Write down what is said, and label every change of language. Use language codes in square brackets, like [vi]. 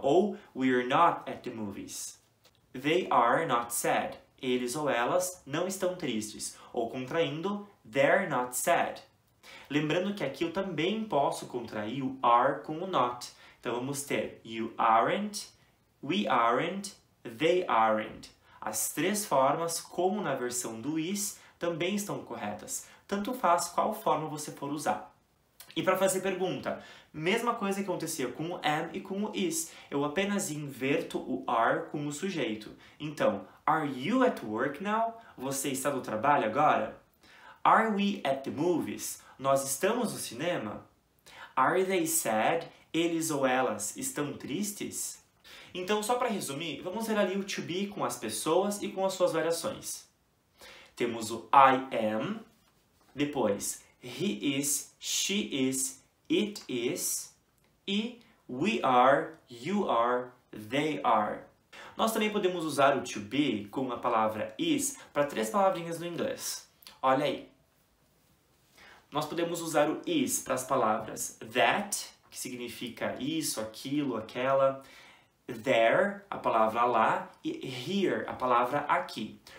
[en] Ou we are not at the movies. They are not sad. [pt] Eles ou elas não estão tristes. Ou contraindo, [en] they're not sad. [pt] Lembrando que aqui eu também posso contrair o are com o not. Então vamos ter [en] you aren't, we aren't, they aren't. [pt] As três formas, como na versão do is, também estão corretas. Tanto faz qual forma você for usar. E para fazer pergunta, mesma coisa que acontecia com o am e com o is. Eu apenas inverto o are com o sujeito. Então, [en] are you at work now? [pt] Você está no trabalho agora? [en] Are we at the movies? [pt] Nós estamos no cinema? [en] Are they sad? [pt] Eles ou elas estão tristes? Então, só para resumir, vamos ver ali o to be com as pessoas e com as suas variações. [en] Temos o I am, depois he is, she is, it is, e we are, you are, they are. [pt] Nós também podemos usar o to be com a palavra is para três palavrinhas no inglês. Olha aí. Nós podemos usar o is para as palavras that, que significa isso, aquilo, aquela, there, a palavra lá, e here, a palavra aqui.